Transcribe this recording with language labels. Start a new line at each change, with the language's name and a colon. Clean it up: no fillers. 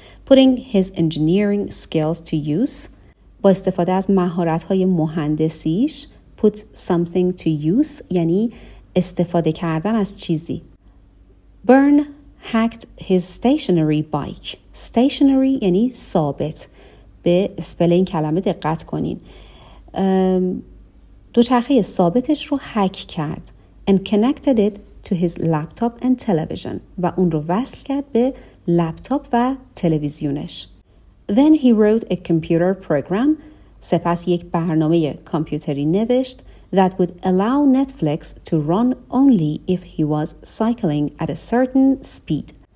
English: Putting his engineering skills to use,
Persian: با استفاده از مهارت‌های مهندسیش,
English: put something to use,
Persian: یعنی استفاده کردن از چیزی.
English: Burn hacked his stationary bike. Stationary
Persian: یعنی ثابت. به اسپل این کلمه دقت کنین. دوچرخه ثابتش رو هک کرد.
English: And connected it to his laptop and television.
Persian: و اون رو وصل کرد به لپتاپ و تلویزیونش.
English: Then he wrote a computer program.
Persian: سپس یک برنامه کامپیوتری نوشت
English: that would allow Netflix to run only if he was cycling at a certain speed.